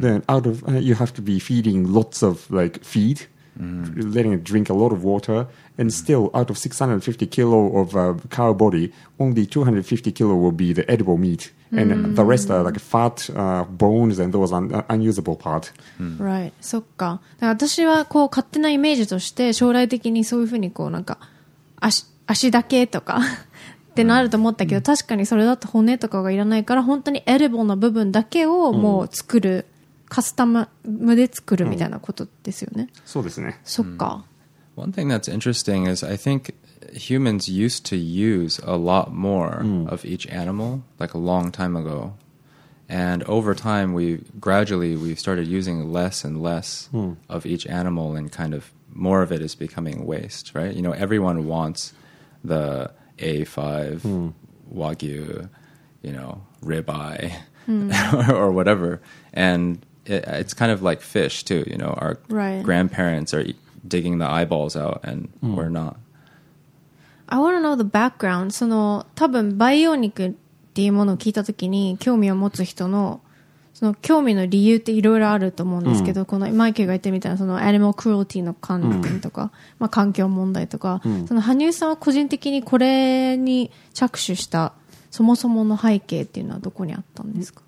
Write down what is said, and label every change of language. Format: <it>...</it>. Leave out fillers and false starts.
<en>Then out of you have to be feeding lots of like feed, mm-hmm. letting it drink a lot of water, and still out of 650 kilo of cow body, only 250 kilo will be the edible meat. And the rest are like fat, bones, and those unusable part. Right.</en> <ja>そっか。だから私はこう勝手なイメージとして将来的にそういうふうにこうなんか足だけとかってなると思ったけど、確かにそれだと骨とかがいらないから本当にエレボーな部分だけをもう作る、カスタムで作るみたいなことですよね。そうですね。そっか。</ja> <en>One thing that's interesting is I think humans used to use a lot more of each animal like a long time ago. And over time, we started using less and less of each animal and kind of more of it is becoming waste, right? You know, everyone wants the A5, Wagyu, you know, ribeye or whatever. And it's kind of like fish too, you know, our grandparents are digging the eyeballs out and we're not. I want to know the background.</en> <ja>その多分培養肉っていうものを聞いたときに興味を持つ人のその興味の理由っていろいろあると思うんですけど、このマイケルが言ってみたいなそのアニマルクルーティーの観点とか、まあ環境問題とか、その羽生さんは個人的にこれに着手したそもそもの背景っていうのはどこにあったんですか？</ja>